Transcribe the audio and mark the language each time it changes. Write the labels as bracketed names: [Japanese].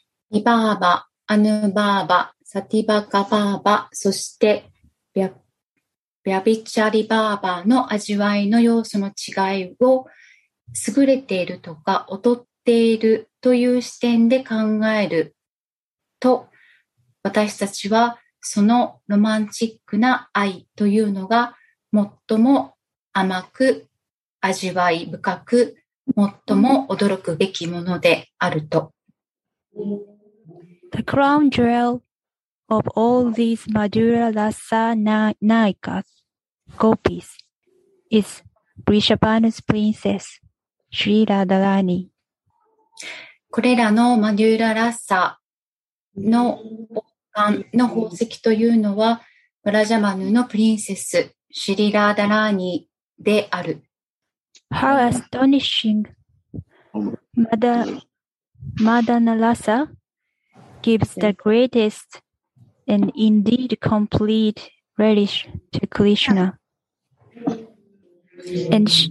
[Japanese] ビバーバ、アヌバーバ、サティバカバーバ、そしてビャビチャリバーバの味わいの要素の違いを優れているとか劣っているという視点で考えると、私たちはそのロマンチックな愛というのが最も甘く味わい深く最も驚くべきものであると。 [English] The crown jewel of all these Madhura Rasa Naika gopis is Vrishabhanu's princess, Sri Radharani. [Japanese] これらのマデューラ・ラッサの王冠の宝石というのは、ブラジャマヌのプリンセス、シリ・ラーダラーニである。 [English] How astonishing! Madana Rasa gives the greatest and indeed complete relish to Krishna. And,